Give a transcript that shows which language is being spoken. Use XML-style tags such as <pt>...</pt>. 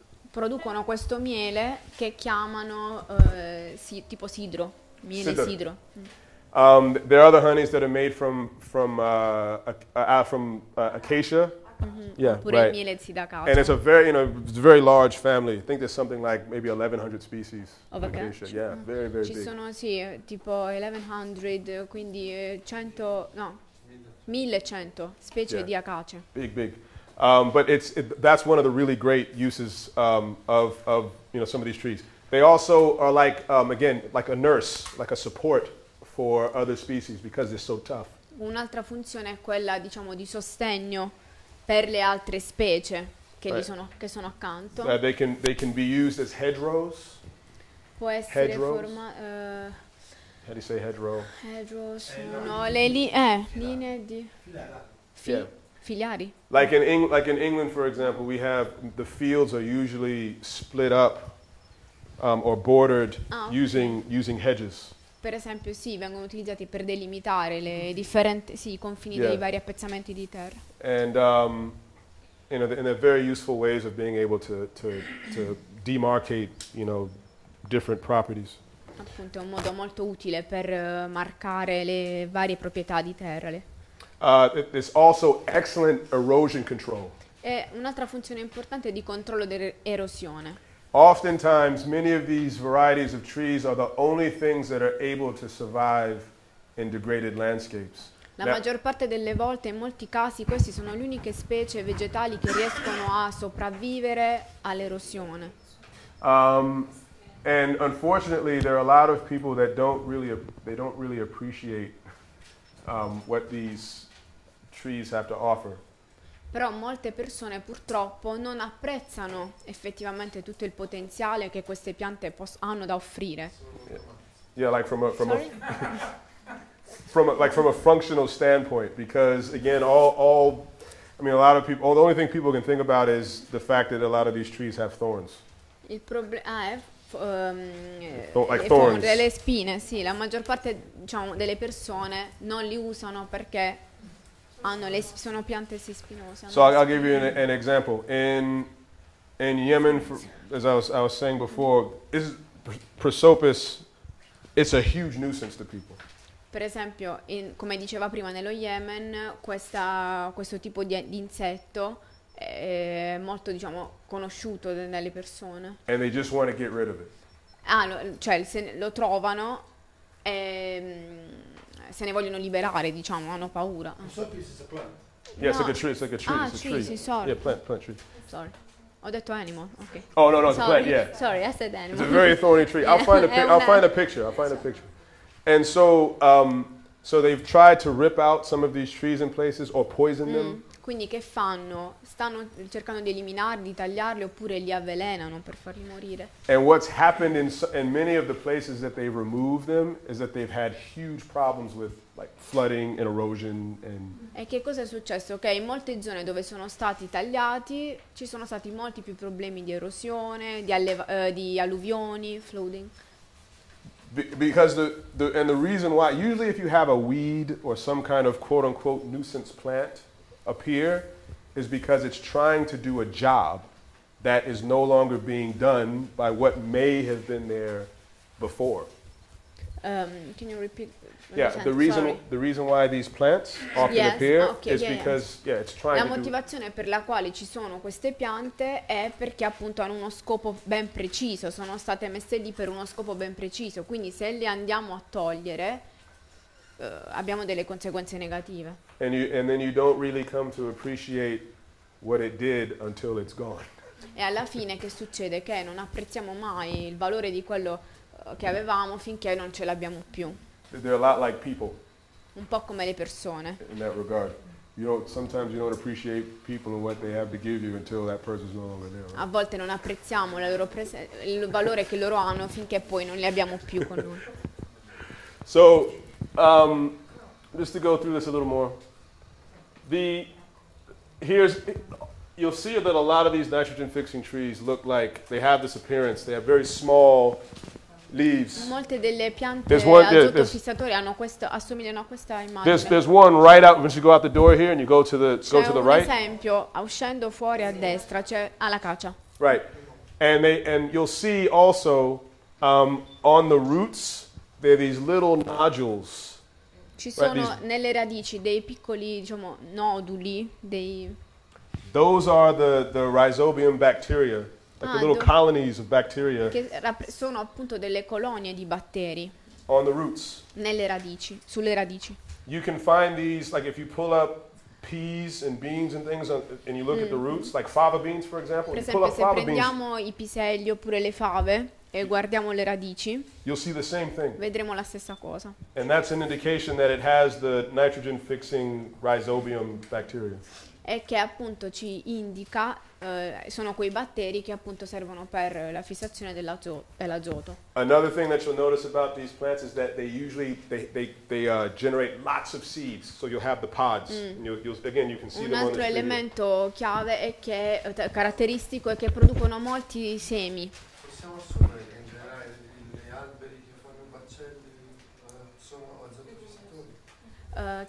<it>Producono questo miele che chiamano tipo sidro, miele sidro. Sidro.</it> <en>There are other honeys that are made from acacia. Mm-hmm. Yeah, pure right.</en> <it>Miele zidacato.</it> <en>And it's a very, you know, very large family. I think there's something like maybe 1100 species of acacia. Acacia. Yeah, mm-hmm. Very, very</en> <it>ci</it> <en>big.</en> <it>Ci sono, sì, tipo 1100, quindi 100, no, 1100 specie yeah. Di acacia.</it> <en>Big, big. But that's one of the really great uses of you know, some of these trees. They also are like, again, like a nurse, like a support for other species because they're so tough.</en> <it>Un'altra funzione è quella, diciamo, di sostegno per le altre specie che right. che sono accanto.</it> <en>They can be used as hedgerows.</en> <it>Può essere hedgerows.</it> <en>How do you say hedgerow?</en> <it>Hedgerows. No, linee di filiari.</it> <en>Like in England, for example, we have the fields are usually split up or bordered using hedges.</en> <it>Per esempio, sì, vengono utilizzati per delimitare le differenti, sì, i confini yeah. Dei vari appezzamenti di terra.</it> <en>And you know, and they're very useful ways of being able to demarcate, you know, different properties.</en> <it>Appunto, è un modo molto utile per marcare le varie proprietà di terra.</it> <en>It's also excellent erosion control.</en> <it>È un'altra funzione importante di controllo dell'erosione.</it> <en>Oftentimes, many of these varieties of trees are the only things that are able to survive in degraded landscapes.</en> <it>La maggior parte delle volte, in molti casi, queste sono le uniche specie vegetali che riescono a sopravvivere all'erosione.</it> <en>And unfortunately, there are a lot of people that don't really appreciate what these trees have to offer.</en> <it>Però molte persone purtroppo non apprezzano effettivamente tutto il potenziale che queste piante hanno da offrire.</it> <en>Yeah, like from a functional standpoint, because again, a lot of people, the only thing people can think about is the fact that a lot of these trees have thorns.</en> <it>Il problema è le spine, sì, la maggior parte, diciamo, delle persone non li usano perché hanno le sono piante spinose.</it> <en>So I'll give you an example. In Yemen, as I was saying before, is Prosopis, it's a huge nuisance to people.</en> <it>Per esempio, come diceva prima, nello Yemen questo tipo di insetto è molto, diciamo, conosciuto dalle persone.</it> <en>And they just want to get rid of it.</en> <it>Se lo trovano e se ne vogliono liberare, diciamo, hanno paura.</it> <en>Yes, no. It's like a tree. it's a tree. Sorry. Yeah, plant tree. Sorry.</en> <it>Ho detto</it> <en>animal. Okay. Oh, no, it's a plant, yeah. Sorry, I said animal. It's a very thorny tree. Yeah. I'll find a picture. And so so they've tried to rip out some of these trees in places or poison them.</en> <it>Quindi che fanno? Stanno cercando di eliminarli, di tagliarli oppure li avvelenano per farli morire.</it> <en>And what's happened in many of the places that they remove them is that they've had huge problems with like flooding and erosion and</en> <it>e che cosa è successo? Che in molte zone dove sono stati tagliati ci sono stati molti più problemi di erosione, di alluvioni, flooding.</it> <en>Because the reason why, usually if you have a weed or some kind of quote unquote nuisance plant appear is because it's trying to do a job that is no longer being done by what may have been there before. Can you repeat? Yeah, the reason why these plants often appear is because it's trying to do.</en> <it>La motivazione per la quale ci sono queste piante è perché appunto hanno uno scopo ben preciso, sono state messe lì per uno scopo ben preciso, quindi se le andiamo a togliere abbiamo delle conseguenze negative.</it> <en>And then you don't really come to appreciate what it did until it's gone.</en> <it>E alla fine che succede? Che non apprezziamo mai il valore di quello che avevamo finché non ce l'abbiamo più.</it> <en>They're a lot like people.</en> <it>Un po' come le persone.</it> <en>In that regard. Sometimes you don't appreciate people and what they have to give you until that person's no longer there.</en> <it>A volte non apprezziamo la loro il valore che loro hanno finché poi non li abbiamo più con noi.</it> <en>So, just to go through this a little more. Here's you'll see that a lot of these nitrogen fixing trees look like they have this appearance. They have very small leaves.</en> <it>Molte delle piante azoto fissatori hanno questo, assomigliano a questa immagine.</it> <en>There's one right out when you go out the door here and you go to the</en> <it>c'è</it> <en>go to the right.</en> <it>C'è un esempio uscendo fuori a destra, cioè alla caccia.</it> <en>Right, and they and you'll see also on the roots there are these little nodules.</en> <it>Ci sono nelle radici dei piccoli, diciamo, noduli dei.</it> <en>Those are the rhizobium bacteria. Like the little colonies of bacteria.</en> <it>Che sono appunto delle colonie di batteri.</it> <en>On the roots.</en> <it>Nelle radici, sulle radici.</it> <en>You can find these, like if you pull up peas and beans and things on, and you look at the roots, like fava beans for example.</en> <it>Per esempio, se prendiamo i piselli oppure le fave e guardiamo le radici,</it> <en>you'll see the same thing.</en> <it>Vedremo la stessa cosa.</it> <en>And that's an indication that it has the nitrogen fixing rhizobium bacteria.</en> <it>E che appunto ci indica sono quei batteri che appunto servono per la fissazione dell'azoto.</it> <en>Another thing that you'll notice about these plants is that they usually they generate lots of seeds, so you'll have the pods.</en> <it>Un altro elemento chiave è che caratteristico è che producono molti semi. Possiamo assumere che in generale gli alberi che fanno baccelli sono azoto fissatori.</it>